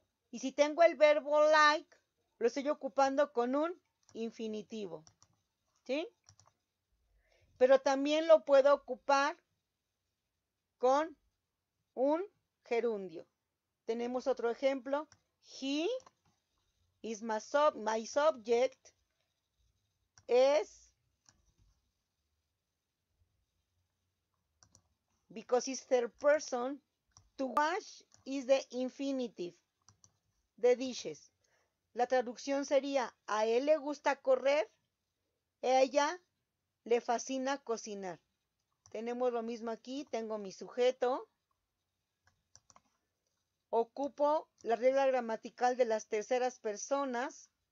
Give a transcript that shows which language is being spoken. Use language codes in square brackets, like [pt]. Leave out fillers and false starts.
[es] Y si tengo el verbo like, lo estoy ocupando con un infinitivo, ¿sí? Pero también lo puedo ocupar con un gerundio. Tenemos otro ejemplo. [en] He is my subject is because it's third person. To wash is the infinitive. The dishes. [es] La traducción sería, a él le gusta correr, ella le fascina cocinar. Tenemos lo mismo aquí, tengo mi sujeto. Ocupo la regla gramatical de las terceras personas.